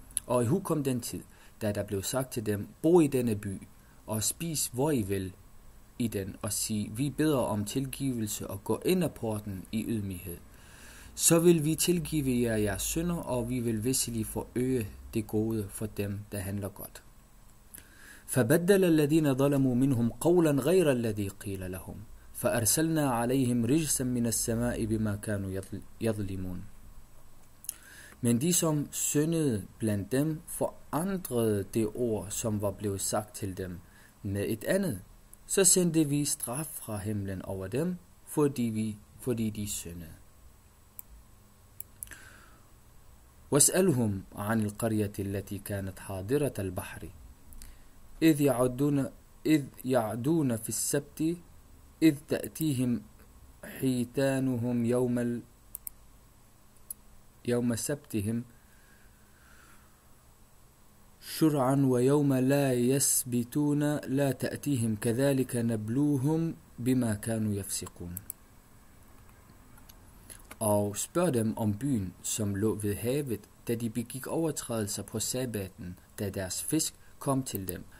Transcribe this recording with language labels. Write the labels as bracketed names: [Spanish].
[Danish] Og i hukom den tid, da der blev sagt til dem, bo i denne by, og spis hvor I vil i den, og sig, vi beder om tilgivelse og gå ind ad porten i ydmyghed, så vil vi tilgive jer jeres synder, og vi vil visselig forøge det gode for dem, der handler godt. [Arabic] فبدل الذين ظلموا منهم قولا غير الذي قيل لهم فارسلنا عليهم رجسا من السماء بما كانوا يظلمون. [Danish] Men de som syndede blandt dem forandrede det ord, som var blevet sagt til dem, med et andet, så sendte vi straf fra himlen over dem, fordi de syndede. [Arabic] واسألهم عن القرية التي كانت حاضرة البحر إذ يعدون في السبت إذ تأتيهم حيتانهم يوم سبتهم شرعا ويوم لا يسبتون لا تأتيهم كذلك نبلوهم بما كانوا يفسقون. [Danish] Og spørg dem om byen, som lå ved havet, da de begik overtrædelser på sabbaten, da deres fisk kom til dem.